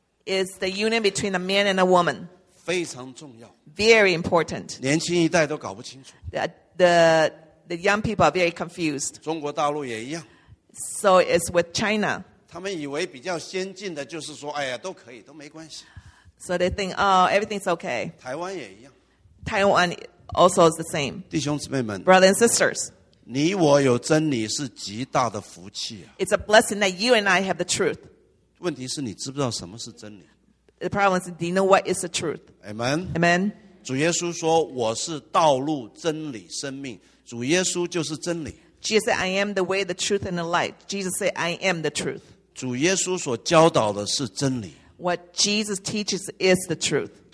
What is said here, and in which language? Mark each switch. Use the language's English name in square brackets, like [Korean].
[English] It's the union between a man and a woman. [Chinese] 非常重要。 [English] Very important. [Chinese] 年轻一代都搞不清楚。 [English] The young people are very confused. [Chinese] 中国大陆也一样。 [English] So it's with China. [Chinese] 他们以为比较先进的就是说, 哎呀, 都可以, 都没关系。 [English] So they think, oh, everything's okay. [Chinese] 台湾也一样。 [English] Taiwan also is the same. [Chinese] 弟兄姊妹们, [English] brothers and sisters, [Chinese] 你我有真理是极大的福气啊。 [English] It's a blessing that you and I have the truth. [Chinese] 问题是你知不知道什么是真理? [English] The problem is, do you know what is the truth? Amen. Amen. [Chinese] 主耶稣说,我是道路,真理,生命。主耶稣就是真理。 [English] Jesus said, I am the way, the truth, and the light. Jesus said, I am the truth. [Chinese] 主耶稣所教导的是真理。 [English] What Jesus teaches is the truth.